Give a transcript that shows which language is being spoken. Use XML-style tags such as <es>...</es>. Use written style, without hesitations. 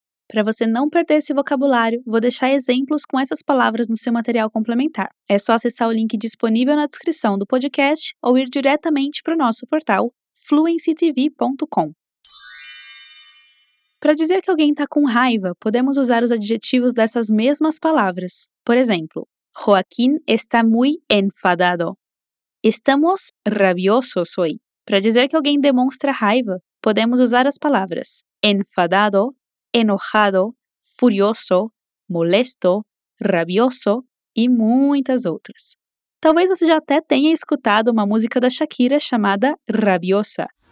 <pt>Para você não perder esse vocabulário, vou deixar exemplos com essas palavras no seu material complementar. É só acessar o link disponível na descrição do podcast ou ir diretamente para o nosso portal fluencytv.com. Para dizer que alguém está com raiva, podemos usar os adjetivos dessas mesmas palavras. Por exemplo,</pt> <es>Joaquim está muy enfadado. Estamos rabiosos hoy.</es> <pt>Para dizer que alguém demonstra raiva, podemos usar as palavras enfadado, enojado, furioso, molesto, rabioso e muitas outras. Talvez você já até tenha escutado uma música da Shakira chamada Rabiosa.</pt>